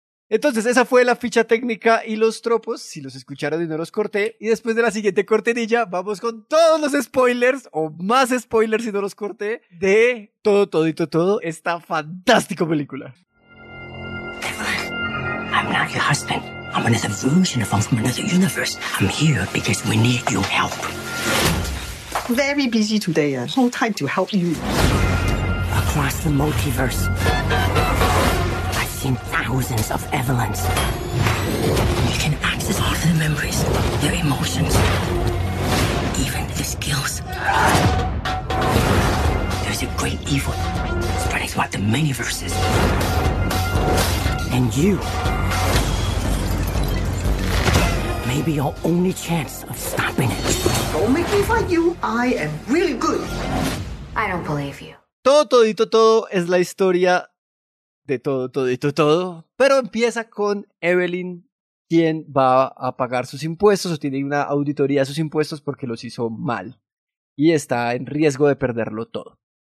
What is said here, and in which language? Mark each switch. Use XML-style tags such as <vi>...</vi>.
<es>Entonces, esa fue la ficha técnica y los tropos, si los escucharon y no los corté. Y después de la siguiente cortinilla, vamos con todos los spoilers, o más spoilers si no los corté, de todo, todito, todo, esta fantástica película.</es> <en>I'm not your husband. I'm another version of him from another universe. I'm here because we need your help. Very busy today, no time to help you. Across the multiverse. Thousands of Evelyns. You can access all their memories, their emotions, even their skills. There's a great evil spreading throughout the many verses. And you may be your only chance of stopping it. Don't make me fight you. I am really good. I don't believe you.</en> <es>Todo, todito, todo es la historia de todo, todito, todo. Pero empieza con Evelyn, quien va a pagar sus impuestos o tiene una auditoría de sus impuestos porque los hizo mal. Y está en riesgo de perderlo todo.</es>